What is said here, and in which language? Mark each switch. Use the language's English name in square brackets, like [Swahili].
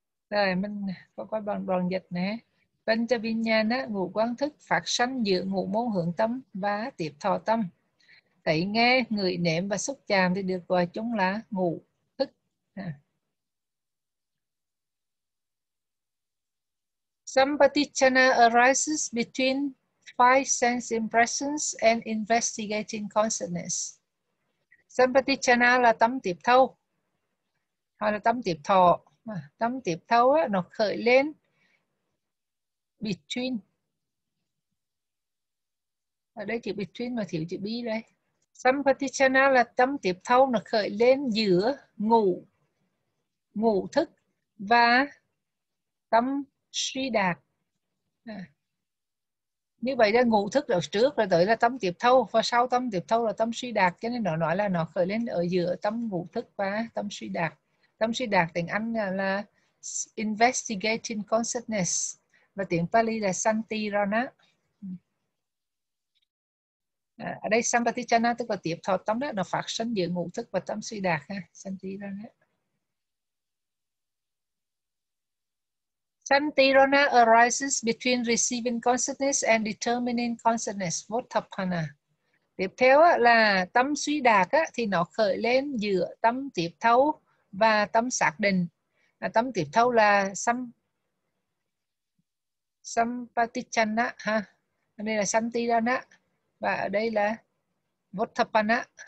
[Vietnamese] Rồi mình có coi bằng đoạn dịch nè. Panchavijñāna, ngũ quan thức phát sanh giữa ngũ môn hưởng tâm và tiếp thọ tâm. Thấy nghe, ngửi nếm và xúc chạm thì được gọi chung là ngũ thức. [English] Sampatthicchana arises between five sense impressions and investigating consciousness. [Vietnamese] Sampatthicchana là tâm tiếp thâu, hoặc là tâm tiếp thọ. Tâm tiếp thâu á, nó khởi lên between. Ở đây chữ between mà thiếu chữ bi đây. Sampatthicchana là tâm tiếp thâu, nó khởi lên giữa ngũ thức và tâm suy đạt. Như vậy là ngũ thức ở trước rồi tới là tâm tiếp thâu, và sau tâm tiếp thâu là tâm suy đạt. Cho nên nó nói là nó khởi lên ở giữa tâm ngũ thức và tâm suy đạt. Tâm suy đạt tiếng Anh là [English] investigating consciousness, [Vietnamese] và tiếng Pali là santirana. Ở đây sampatthicchana tức là tiếp thọ tâm đó, nó phát sinh giữa ngũ thức và tâm suy đạt ha, santirana. [English] Santirana arises between receiving consciousness and determining consciousness, vottapanna. [Vietnamese] Tiếp theo là tâm suy đạt thì nó khởi lên giữa tâm tiếp thâu và tâm xác định. Tâm tiếp thâu là sampatthicchana ha. Đây là santirana và ở đây là vottapanna.